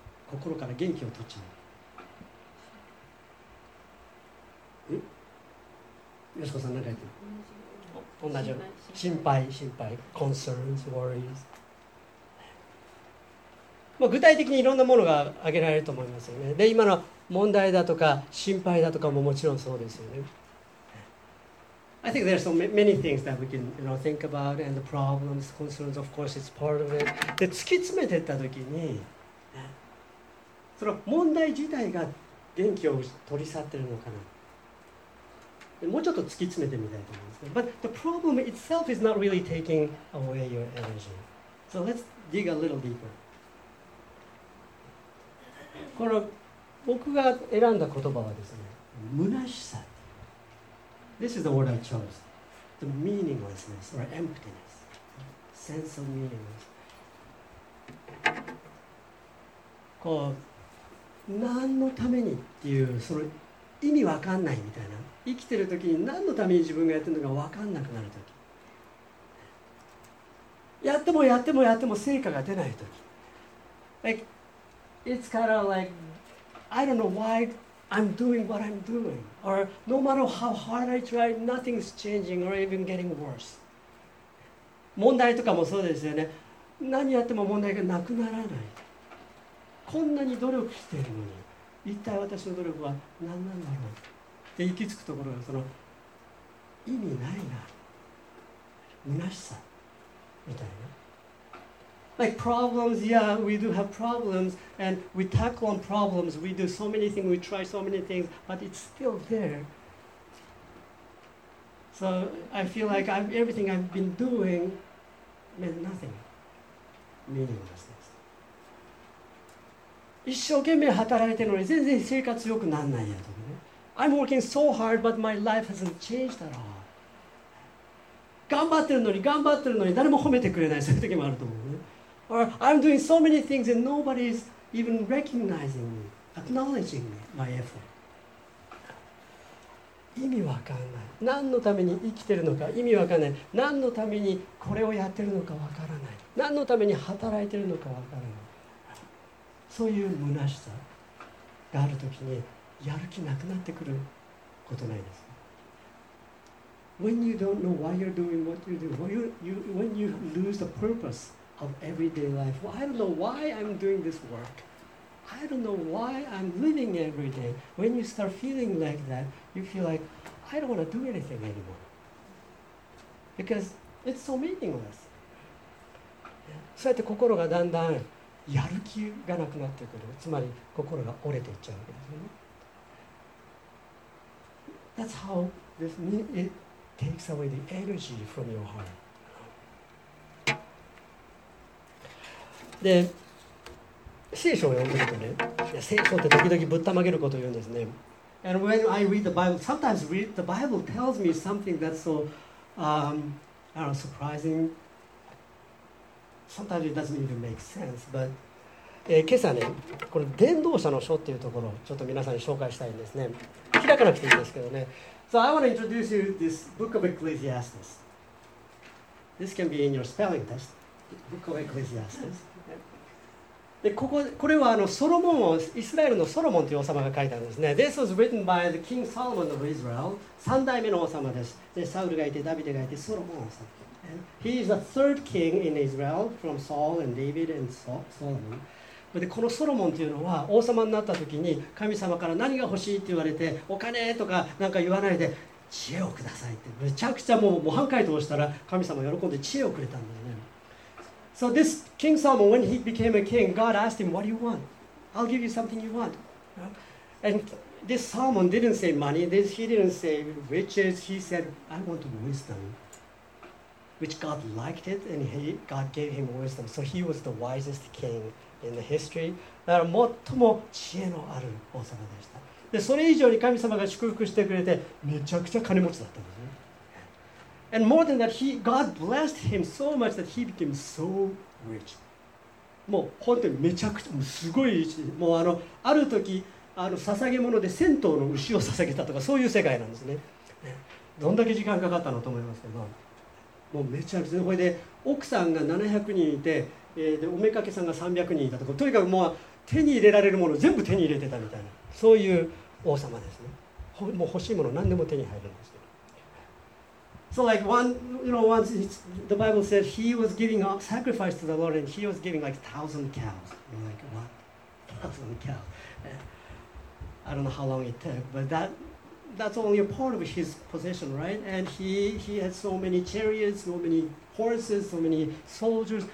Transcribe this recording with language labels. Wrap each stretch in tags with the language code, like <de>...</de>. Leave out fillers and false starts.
<ja>心から元気を取っちゃう。よしこさん何か言ってる？同じ。心配。</ja> <en>Concerns, worries。</en> <ja>まあ、具体的にいろんなものが挙げられると思いますよね。で、今の問題だとか心配だとかももちろんそうですよね。</ja> <en>I think there's so many things that we can, you know, think about, and the problems, concerns, of course, it's part of it.</en> <ja>で、突き詰めていったときに、その問題自体が元気を取り去ってるのかな。もうちょっと突き詰めてみたいと思います。</ja> <en>But the problem itself is not really taking away your energy. So let's dig a little deeper.</en> <ja>この僕が選んだ言葉はですね、</ja> <en>虚しさ。This is the word I chose. The meaninglessness or emptiness. Sense of meaninglessness.</en> <ja>こう、何のためにっていう、その意味わかんないみたいな。生きてる時に何のために自分がやってるのかわかんなくなる時。やっても成果が出ない時。</ja> <en>Like, it's kind of like, I don't know why I'm doing what I'm doing. Or no matter how hard I try, nothing's changing or even getting worse.</en> <ja>問題とかもそうですよね。何やっても問題がなくならない。こんなに努力しているのに、一体私の努力は何なんだろう。で、行き着くところがその意味ないな。虚しさみたいな。</ja> <en>Like problems, yeah, we do have problems, and we tackle on problems, we do so many things, we try so many things, but it's still there. So I feel like everything I've been doing meant nothing. Meaninglessness.</en> <ja>一生懸命働いてるのに全然生活良くなんないやとかね。</ja> <en>I'm working so hard, but my life hasn't changed at all.</en> <ja>頑張ってるのに誰も褒めてくれない、そういう時もあると思うね。</ja> <en>Or I'm doing so many things and nobody's even recognizing me, acknowledging me, my effort.</en> <ja>意味わかんない。何のために生きてるのか意味わかんない。何のためにこれをやってるのかわからない。何のために働いてるのかわからない。そういう虚しさがあるときにやる気なくなってくることないです。</ja> <en>When you don't know why you're doing what you do, when you lose the purpose,of everyday life. Well, I don't know why I'm doing this work. I don't know why I'm living every day. When you start feeling like that, you feel like, I don't want to do anything anymore. Because it's so meaningless.</en> <ja>そうやって心がだんだんやる気がなくなってくる。つまり心が折れていっちゃうわけですよね。</ja> <en>That's how this mean, it takes away the energy from your heart.</en> <ja>で、聖書を読むとね、いや聖書って時々ぶったまげることを言うんですね。</ja> <en>And when I read the Bible, sometimes read the Bible tells me something that's so, I don't know, surprising. Sometimes it doesn't even make sense. But</en> <ja>今朝ね、この伝道者の書っていうところをちょっと皆さんに紹介したいんですね。開かなくていいんですけどね。</ja> <en>So I want to introduce you this Book of Ecclesiastes. This can be in your spelling test. Book of Ecclesiastes.</en> <ja>で これはあのソロモンをイスラエルのソロモンという王様が書いたんですね。</ja> <en>This was written by the King Solomon of Israel,</en> <ja>三代目の王様です。でサウルがいてダビデがいてソロモン王様。</ja> <en>He is the third king in Israel from Saul and David and Solomon.</en> <ja>でこのソロモンというのは王様になった時に神様から何が欲しいって言われてお金とかなんか言わないで知恵をくださいってめちゃくちゃもう模範解答をしたら神様喜んで知恵をくれたんだよね。</ja> <en>So this King Solomon, when he became a king, God asked him, what do you want? I'll give you something you want. And this Solomon didn't say money, he didn't say riches, he said, I want wisdom. Which God liked it, and God gave him wisdom. So he was the wisest king in the history.</en> <ja>だから最も知恵のある王様でした。で、それ以上に神様が祝福してくれて、めちゃくちゃ金持ちだったんですね。</ja> <en>And more than that, God blessed him so much that he became so rich.</en> <ja>もう本当にめちゃくちゃ、すごい、もうある時、捧げ物で千頭の牛を捧げたとか、そういう世界なんですね。どんだけ時間かかったのと思いますけど。もうめちゃくちゃ、これで奥さんが700人いて、でおめかけさんが300人いたとか、とにかくもう手に入れられるもの全部手に入れてたみたいな、そういう王様ですね。もう欲しいもの何でも手に入るんですけど。</ja> <en>So like one, you know, once the Bible said he was giving a sacrifice to the Lord and he was giving like 1,000 cows. You're like, what? 1,000 cows. I don't know how long it took, but that's only a part of his possession, right? And he had so many chariots, so many horses, so many soldiers.</en>